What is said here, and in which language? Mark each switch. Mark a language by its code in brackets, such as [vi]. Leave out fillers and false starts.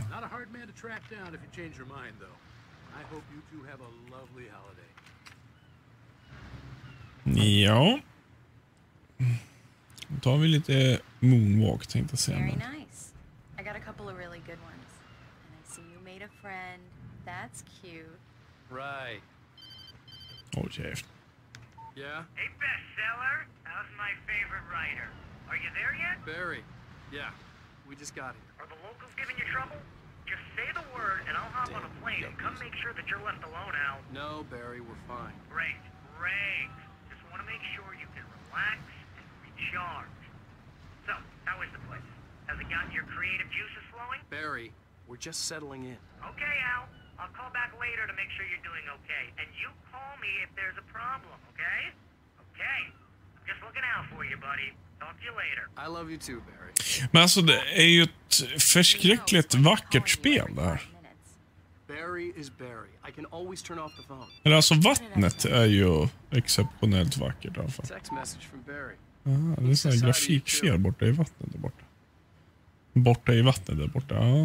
[en] Not a hard man to track down if you change your mind, though. I hope you two have a lovely holiday. [sv] Ja. Då tar vi lite moonwalk, tänkte jag säga. [en] Very nice. I got a couple of really good ones. And I see you made a friend. That's cute. Right. Oh, chef. Yeah? Hey, bestseller. How's my favorite writer? Are you there yet? Barry. Yeah. We just got here. Are the locals giving you trouble? Just say the word and I'll hop on a plane and come make sure that you're left alone, Al. No, Barry, we're fine. Great, great. Just want to make sure you can relax and recharge. So, how is the place? Has it gotten your creative juices flowing? Barry, we're just settling in. Okay, Al. I'll call back later to make sure you're doing okay. And you call me if there's a problem, okay? Okay. I'm just looking out for you, buddy. Talk to you later. I love you too, Barry. [sv] Men alltså, det är ju ett förskräckligt vackert spel där. [en] Barry is Barry. I can always turn off the phone. [sv] Eller alltså, vattnet är ju exceptionellt vackert i alla fall. [en] Text message from Barry. [sv] Ah, det är sån här grafikfel borta i vattnet där borta. Borta i vattnet där borta, ja.